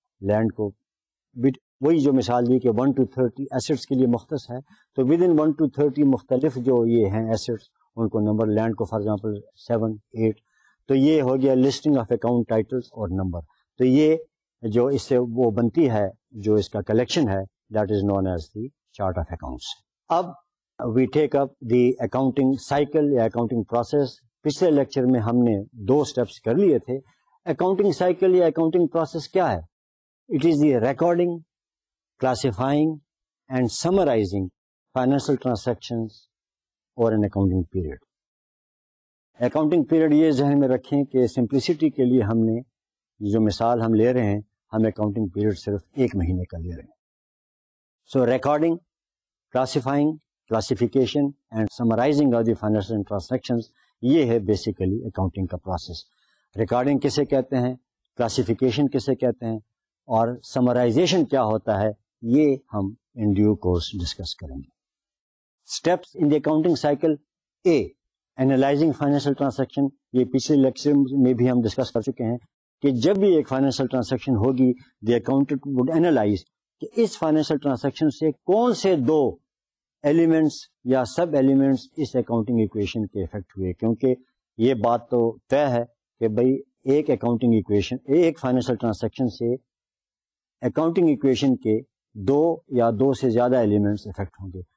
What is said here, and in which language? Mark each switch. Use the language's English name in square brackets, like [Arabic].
[Urdu] Land کو but وہی جو مثال دی کہ 1 to 30 ایسٹس کے لیے مختص ہے, تو [English] with in 1 to 30 [Urdu] مختلف جو یہ ہیں ایسٹس ان کو نمبر, لینڈ کو [English] for example [Urdu] 7, 8. تو یہ ہو گیا [English] listing of account titles [Urdu] اور نمبر. تو یہ جو اس سے وہ بنتی ہے جو اس کا کلیکشن ہے [English] That is known as the chart of accounts. اب we take up the accounting cycle یا accounting process. [Urdu] پچھلے لیکچر میں ہم نے دو اسٹیپس کر لیے تھے. اکاؤنٹنگ سائیکل یا اکاؤنٹنگ پروسیس کیا ہے؟ [English] It is the recording classifying and summarising financial transactions اور in accounting period. [Urdu] Accounting period یہ ذہن میں رکھیں کہ سمپلسٹی کے لیے ہم نے جو مثال ہم لے رہے ہیں ہم اکاؤنٹنگ پیریڈ صرف ایک مہینے کا لے رہے ہیں. [English] so recording classifying classification and summarising of the financial transactions [Urdu] یہ ہے بیسیکلی اکاؤنٹنگ کا پروسیس. ریکارڈنگ کسے کہتے ہیں, کلاسیفیکیشن کسے کہتے ہیں اور سمرائزیشن کیا ہوتا ہے یہ ہم [English] in due course [Urdu] ڈسکس کریں گے. [English] Steps in the accounting cycle, a analysing financial transaction. [Urdu] یہ پچھلے لیکچر میں بھی ہم ڈسکس کر چکے ہیں کہ جب بھی ایک فائنینشیل ٹرانزیکشن ہوگی [English] the accountant would analyse [Urdu] کہ اس فائنینشیل ٹرانزیکشن سے کون سے دو ایلیمنٹس یا سب ایلیمنٹس اس اکاؤنٹنگ ایکویشن کے افیکٹ ہوئے. کیونکہ یہ بات تو طے ہے کہ بھائی ایک اکاؤنٹنگ ایکویشن ایک فائنینشیل ٹرانزیکشن سے اکاؤنٹنگ ایکویشن کے دو یا دو سے زیادہ ایلیمنٹس افیکٹ ہوں گے.